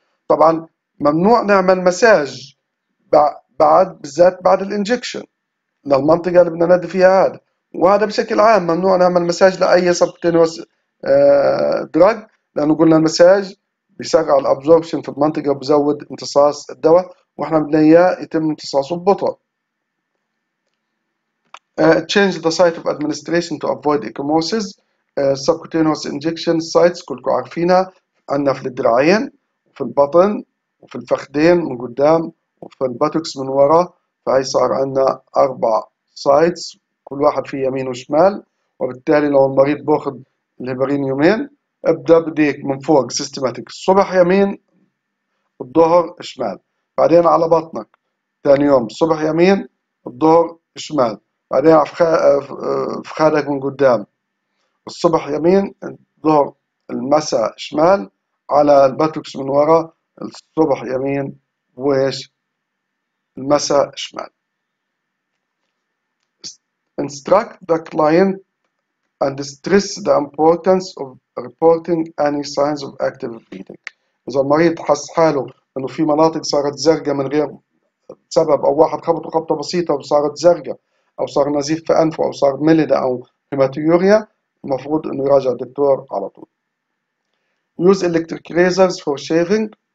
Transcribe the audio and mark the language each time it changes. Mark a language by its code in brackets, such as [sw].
[ar] طبعا ممنوع نعمل مساج بعد بالذات بعد الانجكشن للمنطقة اللي بدنا ندي فيها هذا، وهذا بشكل عام ممنوع نعمل مساج لأي سبتينوس دراج، لأنه قلنا المساج بيسرع الأبزوربشن في المنطقة وبزود امتصاص الدواء، وإحنا بدنا إياه يتم امتصاصه ببطء. [en] Change the site of administration to avoid ecchymosis. Subcutaneous injection sites [ar] كلكم عارفينها، عندنا في الدراعين وفي البطن وفي الفخذين من قدام وفي الباتوكس من ورا، فهي صار عندنا 4 sites كل واحد في يمين وشمال. وبالتالي لو المريض باخذ الهيبارين يومين، ابدا بديك من فوق سيستماتيك، الصبح يمين الظهر شمال، بعدين على بطنك ثاني يوم الصبح يمين الظهر شمال، بعدين فخادك من قدام الصبح يمين الظهر المساء شمال، على الباتوكس من ورا، الصبح يمين وايش المساء شمال. [en] Instruct the client and stress the importance of reporting any signs of active bleeding. [ar] إذا المريض حس حاله إنه في مناطق صارت زرقاء من غير سبب، أو واحد خبط خبطة بسيطة وصارت زرقاء، أو صار نزيف في أنفه، أو صار ملدة أو هيماتيوريا، المفروض إنه يراجع الدكتور على طول. [en] Use electric razors for shaving.